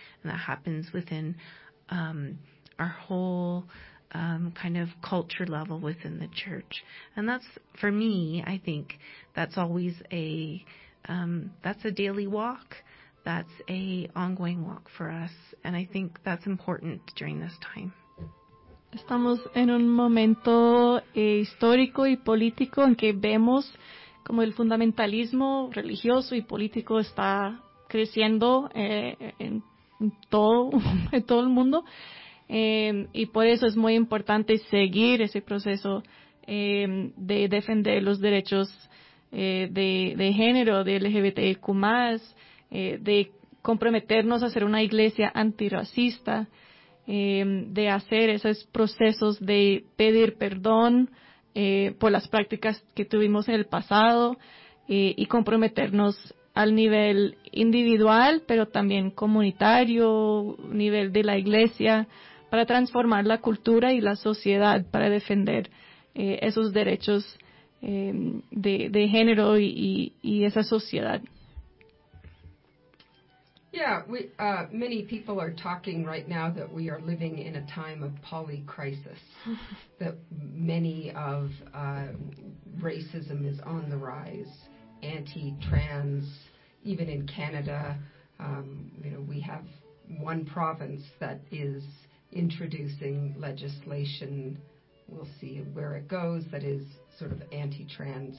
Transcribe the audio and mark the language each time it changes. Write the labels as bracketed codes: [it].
[en] And that happens within our whole kind of culture level within the church. And that's, for me, I think that's always that's a daily walk. That's a ongoing walk for us. And I think that's important during this time. [es] Estamos en un momento histórico y político en que vemos como el fundamentalismo religioso y político está creciendo en todo el mundo. Y por eso es muy importante seguir ese proceso de defender los derechos de género, de LGBTQ+, de comprometernos a ser una iglesia antirracista, de hacer esos procesos de pedir perdón por las prácticas que tuvimos en el pasado y comprometernos al nivel individual, pero también comunitario, nivel de la iglesia, para transformar la cultura y la sociedad, para defender esos derechos de género y esa sociedad. [en] Yeah, many people are talking right now that we are living in a time of polycrisis, that many of racism is on the rise, anti-trans, even in Canada, we have one province that is introducing legislation, we'll see where it goes, that is sort of anti-trans.